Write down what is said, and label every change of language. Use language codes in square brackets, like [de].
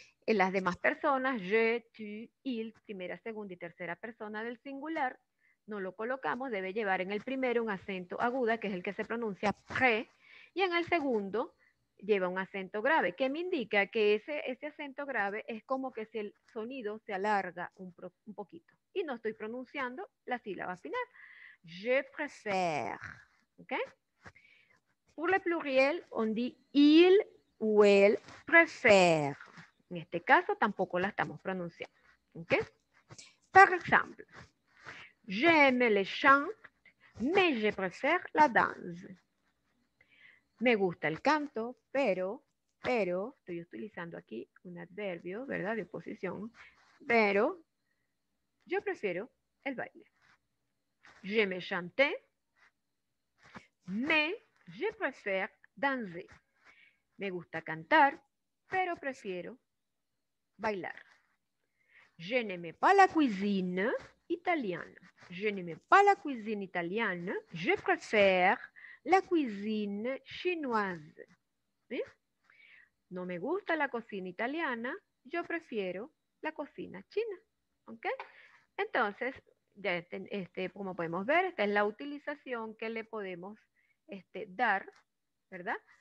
[es] En las demás personas, je, tu, il, primera, segunda y tercera persona del singular, no lo colocamos, debe llevar en el primero un acento aguda, que es el que se pronuncia pré, y en el segundo lleva un acento grave, que me indica que ese acento grave es como que si el sonido se alarga un poquito. Y no estoy pronunciando la sílaba final. [fr] Je préfère. ¿Okay? Pour le pluriel, on dit il ou elle préfère. [es] En este caso, tampoco la estamos pronunciando. [fr] ¿Okay? Par exemple, j'aime le chant, mais je préfère la danse. [es] Me gusta el canto, pero, estoy utilizando aquí un adverbio, ¿verdad? De oposición, pero yo prefiero el baile. [fr] Je me chanté, mais je préfère danser. [es] Me gusta cantar, pero prefiero bailar. [fr] Je n'aime pas la cuisine italienne. Je n'aime pas la cuisine italienne. Je préfère la cuisine chinoise. ¿Sí? [es] No me gusta la cocina italiana, yo prefiero la cocina china. ¿Ok? Entonces, ya como podemos ver, esta es la utilización que le podemos dar, ¿verdad?